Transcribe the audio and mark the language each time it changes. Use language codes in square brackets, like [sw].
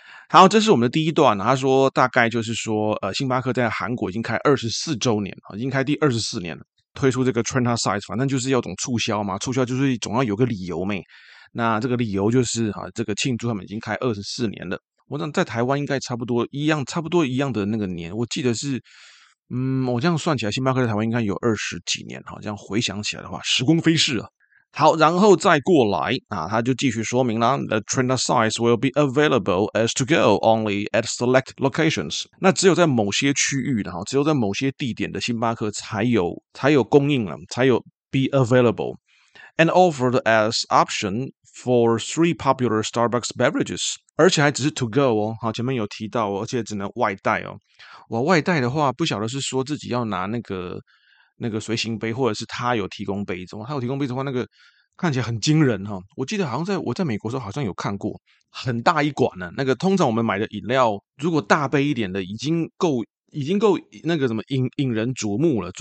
[zh] 好，这是我们的第一段，他说大概就是说，星巴克在韩国已经开24周年，已经开第24年了，推出这个 Trend Size， 反正就是要种促销嘛，促销就是总要有个理由呗。那这个理由就是这个庆祝他们已经开24年了。我想在台湾应该差不多一样的那个年，我记得是我这样算起来星巴克在台湾应该有20几年，这样回想起来的话时光飞逝啊。好，然后再过来他就继续说明啦， [en] The Trend Size will be available as to go only at select locations。 [zh] 那只有在某些区域的只有在某些地点的星巴克才有供应了，才有 [en] be available。 And offered as option for three popular Starbucks beverages， [zh] 而且还只是 [en] to go [zh] 哦，好，前面有提到，而且只能外带哦。我外带的话，不晓得是说自己要拿那个随行杯，或者是他有提供杯子。他有提供杯子的话，那个看起来很惊人哈。我记得好像我在美国的时候好像有看过，很大一管呢。那个通常我们买的饮料，如果大杯一点的，已经够那个什么引人瞩目了。